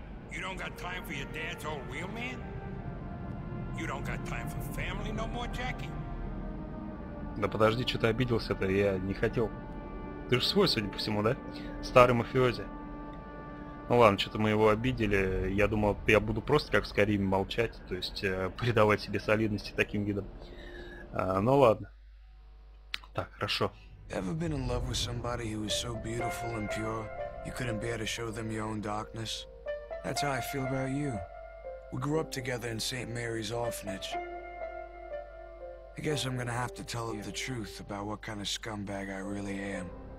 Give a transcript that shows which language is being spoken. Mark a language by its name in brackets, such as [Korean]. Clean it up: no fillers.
[English] You don't got time for your dad's old wheel man? You don't got time for family no more, Jackie? [Russian] Да подожди, что ты обиделся-то? Я не хотел. Ты же свой, судя по всему, да? Старый мафиози. Ну ладно, что-то мы его обидели. Я думал, я буду просто как с Карими молчать, то есть придавать себе солидности таким видом. Ну ладно. Так, хорошо. [English] Ever been in love with somebody who was so beautiful and pure, you couldn't bear to show them your own darkness? That's how I feel about you. We grew up together in St. Mary's Orphanage. I guess I'm gonna have to tell you the truth about what kind of scumbag I really am.